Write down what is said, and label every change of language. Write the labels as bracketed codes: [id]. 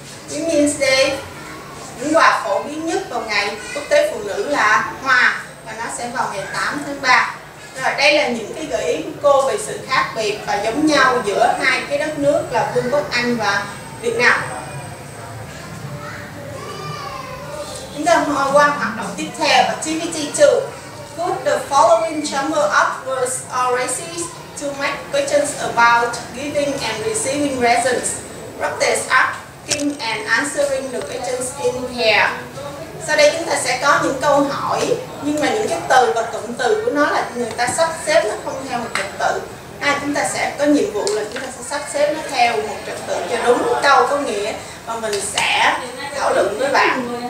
[vi] Women's Day, những quà phổ biến nhất vào ngày quốc tế phụ nữ là hoa, và nó sẽ vào ngày 8 tháng 3. Rồi, đây là những cái gợi ý của cô về sự khác biệt và giống nhau giữa hai cái đất nước là Vương quốc Anh và Việt Nam. Chúng ta hoa qua hoạt động tiếp theo, Activity 2. [en] Put the following chamber of words or races to make questions about giving and receiving presents. Practice asking and answering the questions in here. [vi] Sau đây chúng ta sẽ có những câu hỏi, nhưng mà những cái từ và cụm từ của nó là người ta sắp xếp nó không theo một trật tự. À, chúng ta sẽ có nhiệm vụ là chúng ta sẽ sắp xếp nó theo một trật tự cho đúng câu có nghĩa và mình sẽ thảo luận với bạn.